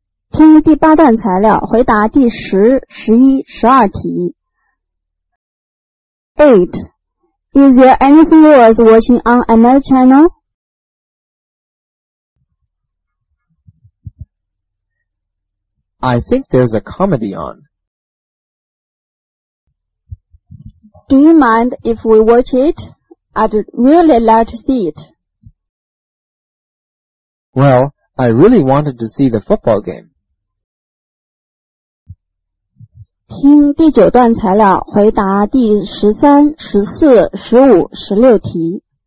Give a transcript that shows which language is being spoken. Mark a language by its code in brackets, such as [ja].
[zh] 听第八段材料，回答第十、十一、十二题。 8. [en] Is there anything worth watching on another channel? I think there's a comedy on. Do you mind if we watch it? I'd really like to see it. Well, I really wanted to see the football game. [zh] 听第九段材料，回答第十三、十四、十五、十六题。